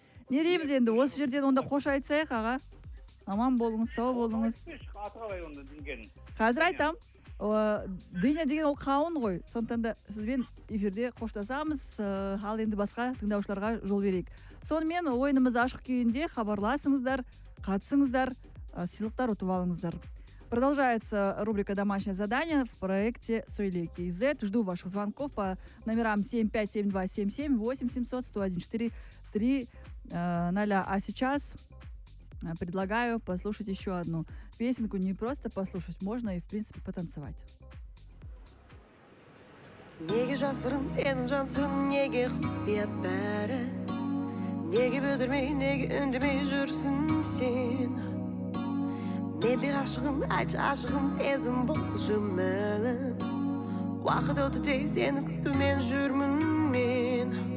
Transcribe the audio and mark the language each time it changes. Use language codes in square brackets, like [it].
[kk] Не дейміз енді, осы жерден онда қош айтсайық аға. Аман болыңыз, сау болыңыз. Қазір айтам. Дыня деген ол қауын ғой. Сондықтан да сізбен эфирде қоштасамыз. Ал енді басқа тыңдаушыларға жол берейік. Сонымен ойынымыз ашық күйінде хабарласыңыздар, қатысыңыздар, сыйлықтар ұтып алыңыздар. [ru] Продолжается рубрика «Домашнее задание» в проекте «Сөйле.кз». Жду ваших звонков по номерам 757277, 8700-1143-00. А сейчас предлагаю послушать еще одну песенку. Не просто послушать, можно и, в принципе, потанцевать. [kk] неге жасырын сенің жансың, неге құпия бәрі, неге бөдірмей, неге үндемей жүрсің сен. Мен бір ғашығым, айтшы ғашығым, сезім болсы жымылым, уақыт өтудей сені күтумен жүрмін мен.